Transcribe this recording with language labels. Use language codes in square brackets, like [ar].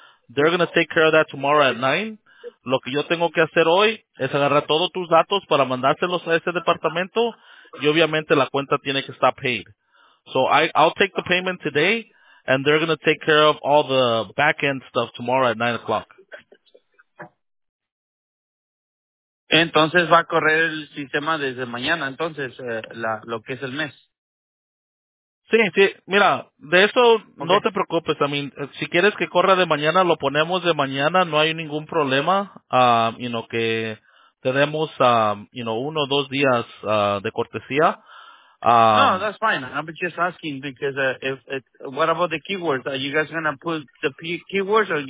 [en] They're going to take care of that tomorrow at 9. [es] Lo que yo tengo que hacer hoy es agarrar todos tus datos para mandárselos a ese departamento, y obviamente la cuenta tiene que estar paid. [en] So I'll take the payment today, and they're going to take care of all the back-end stuff tomorrow at 9 o'clock. [es] Entonces va a correr el sistema desde mañana, entonces, lo que es el mes. Sí, sí, mira, de eso okay. No te preocupes. [en] I mean, [es] si quieres que corra de mañana, lo ponemos de mañana, no hay ningún problema. Que tenemos, uno o dos días de cortesía. [en] No, that's fine. I'm just asking because what about the keywords? Are you guys going to put the keywords?